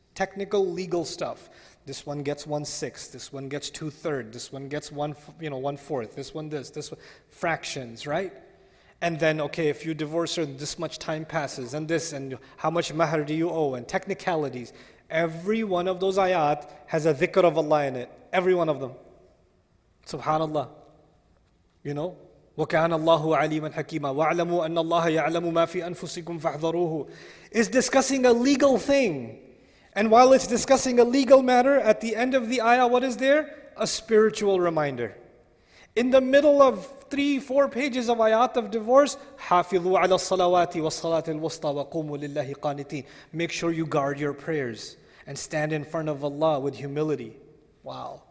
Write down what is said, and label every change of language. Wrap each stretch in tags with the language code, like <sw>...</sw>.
<en>Technical, legal stuff. This one gets 1/6, this one gets 2/3, this one gets 1/4, this one this one, fractions, right? And then, okay, if you divorce her, this much time passes, and this, and how much mahr do you owe, and technicalities. Every one of those ayat has a dhikr of Allah in it. Every one of them. Subhanallah. You know,</en> <ar>وَكَانَ اللَّهُ عَلِيمًا حَكِيمًا وَاعْلَمُوا أَنَّ اللَّهَ يَعْلَمُ مَا فِي أَنفُسِكُمْ فَاحْذَرُوهُ</ar> <en>is discussing a legal thing. And while it's discussing a legal matter, at the end of the ayah, what is there? A spiritual reminder. In the middle of 3-4 pages of ayat of divorce,</en> <ar>حَافِظُوا عَلَى الصَّلَوَاتِ وَالصَّلَاةِ الْوُسْطَى وَقُومُوا لِلَّهِ قَانِتِينَ.</ar> <en>Make sure you guard your prayers and stand in front of Allah with humility. Wow.</en>